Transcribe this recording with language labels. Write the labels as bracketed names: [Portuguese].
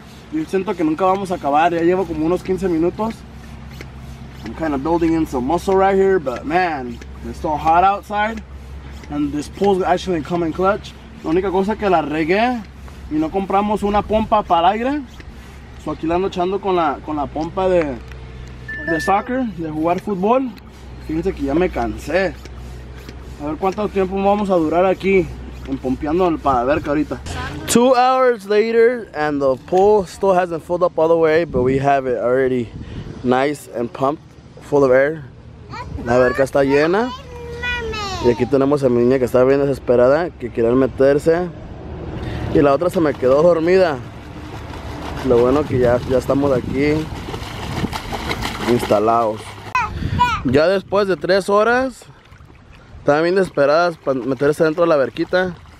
[Spanish] Yo siento que nunca vamos a acabar. Ya llevo como unos 15 minutos. [English] I'm kind of building in some muscle right here, but man, it's so hot outside. And this pool's actually coming clutch. [Spanish] La única cosa que la regué y no compramos una pompa para aire. So aquí la ando echando con la pompa de soccer, de jugar fútbol. Fíjense que ya me cansé. A ver cuánto tiempo vamos a durar aquí en pompeando el palaverca ahorita. [English] 2 hours later and the pool still hasn't filled up all the way, but we have it already nice and pumped, full of air. [Spanish] La alberca está llena. Y aquí tenemos a mi niña que está bien desesperada, que quiere meterse. Y la otra se me quedó dormida. Lo bueno que ya estamos aquí instalados. Ya después de 3 horas, estaban bien desesperadas para meterse dentro de la alberquita.